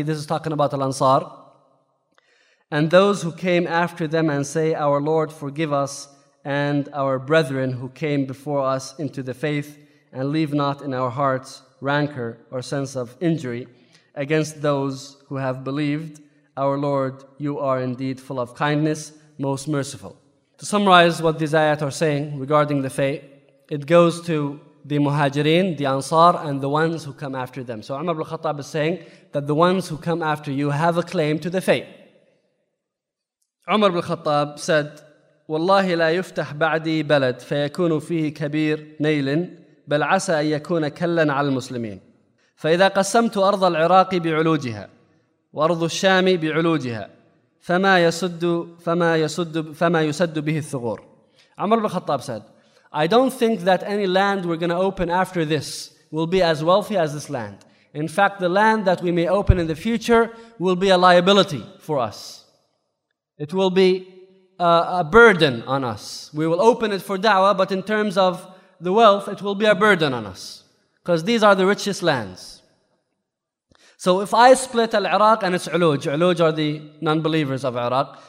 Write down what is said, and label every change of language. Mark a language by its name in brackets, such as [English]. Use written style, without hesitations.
[English] This is talking about Al-Ansar. And those who came after them and say, our Lord, forgive us and our brethren who came before us into the faith, and leave not in our hearts rancor or sense of injury against those who have believed, our Lord, you are indeed full of kindness, most merciful. To summarize what these ayat are saying regarding the faith, it goes to the Muhajirin, the Ansar, and the ones who come after them. So Umar ibn al-Khattab is saying that the ones who come after you have a claim to the faith. Umar ibn al-Khattab said, [Arabic] وَاللَّهِ لَا يُفْتَحْ بَعْدِي بَلَدْ فَيَكُونُ فِيهِ كَبِيرٌ نَيْلٍ بَلْ عَسَى أَنْ يَكُونَ كَلًّا عَلَى الْمُسْلِمِينَ فَإِذَا قَسَّمْتُ أَرْضَ الْعِرَاقِ بِعُلُوجِهَا وَأَرْضُ الشَّامِ بِعُلُوجِهَا فَمَا يَسُدُّ بِهِ الثُّغُورِ [English] Umar ibn al-Khattab said, I don't think that any land we're going to open after this will be as wealthy as this land. In fact, the land that we may open in the future will be a liability for us. It will be a burden on us. We will open it for da'wah, but in terms of the wealth, it will be a burden on us. Because these are the richest lands. So if I split al-Iraq and its uluj, uluj are the non-believers of Iraq.